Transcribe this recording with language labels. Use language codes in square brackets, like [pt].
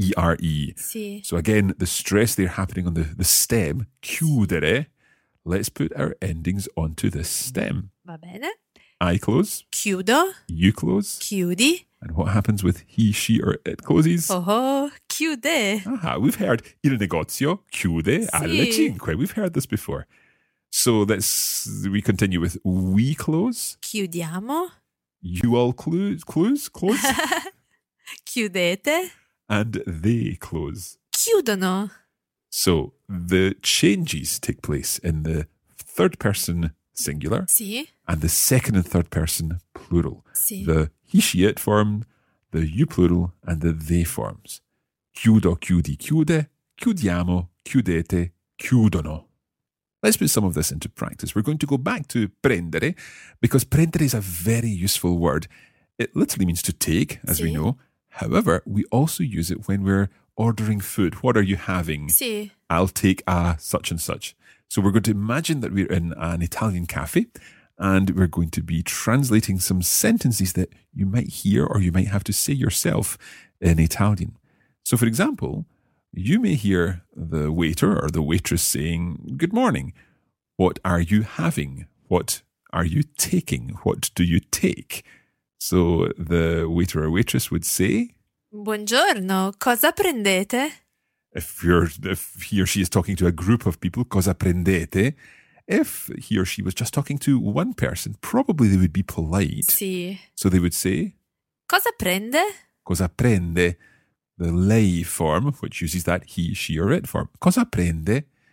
[it] E-R-E. Sì. [en] So again, the stress there happening on the stem, chiudere. Let's put our endings onto the stem. [it] Va bene. [en] I close. [it] Chiudo. [en] You close. [it] Chiudi. [en] And what happens with he, she, or it closes? [it] Oh, chiude. [en] Aha, we've heard [it] il negozio chiude sì. alle cinque. [en] We've heard this before. So let's, we continue with we close. [it] Chiudiamo. [en] You all close. [it] Chiudete. [en] And they close. [it] Chiudono. [en] So the changes take place in the third person singular. [it] Sì. [en] And the second and third person plural. [it] Sì. [en] The he, she, it form, the you plural, and the they forms. [it] Chiudo, chiudi, chiude. Chiudiamo, chiudete, chiudono. [en] Let's put some of this into practice. We're going to go back to prendere, because prendere is a very useful word. It literally means to take, as sì. We know. However, we also use it when we're ordering food. What are you having? [it] Sì. [en] I'll take a such and such. So we're going to imagine that we're in an Italian cafe, and we're going to be translating some sentences that you might hear or you might have to say yourself in Italian. So, for example, you may hear the waiter or the waitress saying, good morning, what are you having? What are you taking? What do you take? So the waiter or waitress would say, [it] buongiorno, cosa prendete? [en] If he or she is talking to a group of people, [it] cosa prendete? [en] If he or she was just talking to one person, probably they would be polite. [it] Sì. [en] So they would say, [it] cosa prende? Cosa prende? [en] The lei form, which uses that he, she, or it form. [it] Cosa prende?